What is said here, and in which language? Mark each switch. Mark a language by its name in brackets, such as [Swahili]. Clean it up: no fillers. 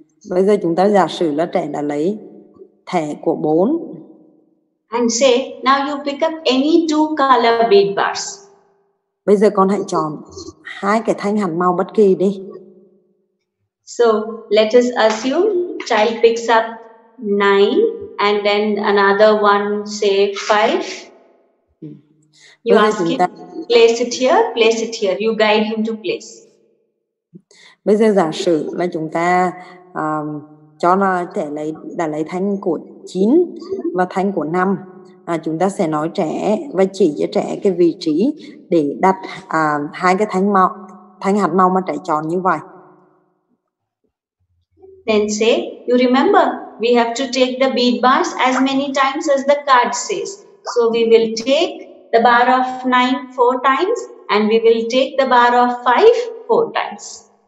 [Vietnamese] Bây giờ chúng ta giả sử là trẻ đã lấy thẻ của 4. [English] And say, now you pick up any two color bead bars. [Vietnamese] Bây giờ con hãy chọn hai cái thanh hạt màu bất kỳ đi. [English] So let us assume child picks up 9 and then another one, say 5. You ask him, place it here. You guide him to place. [Vietnamese] Bây giờ giả sử là chúng ta cho nó trẻ đã lấy thanh của 9 và thanh của 5. Chúng ta sẽ nói trẻ và chỉ cho trẻ cái vị trí để đặt hai cái thanh màu, thanh hạt màu mà trẻ chọn như vậy. [English] Then say, you remember, we have to take the bead bars as many times as the card says. So we will take the bar of 9 4 times and we will take the bar of 5 4 times.